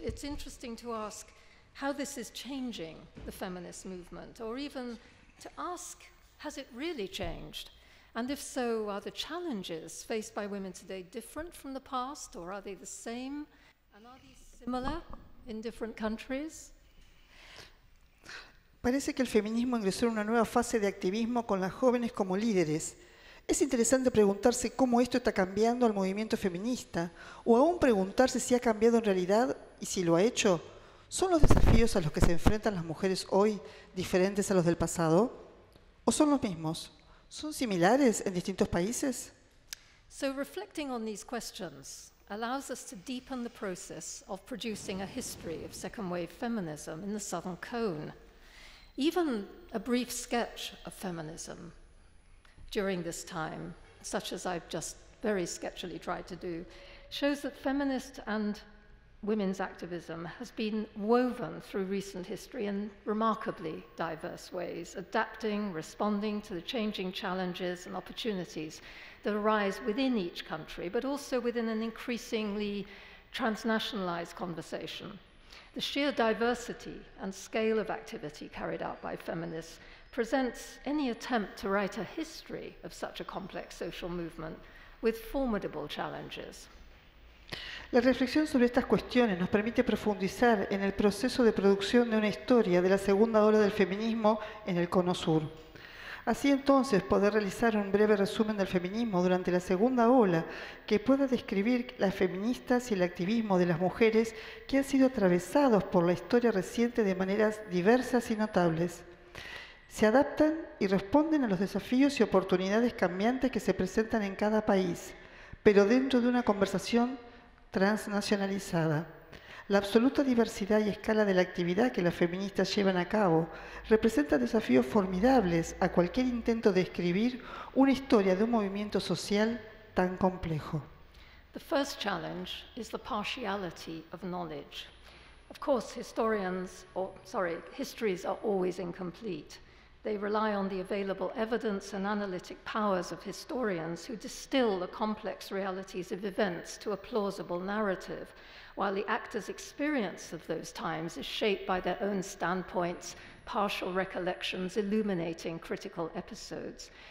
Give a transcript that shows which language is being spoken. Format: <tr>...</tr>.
<en>It's interesting to ask how this is changing the feminist movement, or even to ask, has it really changed? And if so, are the challenges faced by women today different from the past, or are they the same? And are these similar in different countries?</en> <es>Parece que el feminismo ingresó en una nueva fase de activismo con las jóvenes como líderes. Es interesante preguntarse cómo esto está cambiando al movimiento feminista, o aún preguntarse si ha cambiado en realidad y si lo ha hecho. ¿Son los desafíos a los que se enfrentan las mujeres hoy diferentes a los del pasado? ¿O son los mismos? ¿Son similares en distintos países?</es> <en>So, reflecting on these questions allows us to deepen the process of producing a history of second wave feminism in the Southern Cone. Even a brief sketch of feminism during this time, such as I've just very sketchily tried to do, shows that feminist and women's activism has been woven through recent history in remarkably diverse ways, adapting, responding to the changing challenges and opportunities that arise within each country, but also within an increasingly transnationalized conversation. The sheer diversity and scale of activity carried out by feminists presents any attempt to write a history of such a complex social movement with formidable challenges.</en> <es>La reflexión sobre estas cuestiones nos permite profundizar en el proceso de producción de una historia de la segunda ola del feminismo en el Cono Sur. Así entonces, poder realizar un breve resumen del feminismo durante la segunda ola que pueda describir las feministas y el activismo de las mujeres que han sido atravesados por la historia reciente de maneras diversas y notables. Se adaptan y responden a los desafíos y oportunidades cambiantes que se presentan en cada país, pero dentro de una conversación transnacionalizada. La absoluta diversidad y escala de la actividad que las feministas llevan a cabo representa desafíos formidables a cualquier intento de escribir una historia de un movimiento social tan complejo.</es> <en>The first challenge is the partiality of knowledge. Of course, histories are always incomplete. They rely on the available evidence and analytic powers of historians who distill the complex realities of events to a plausible narrative, while the actors' experience of those times is shaped by their own standpoints, partial recollections illuminating critical episodes.</en>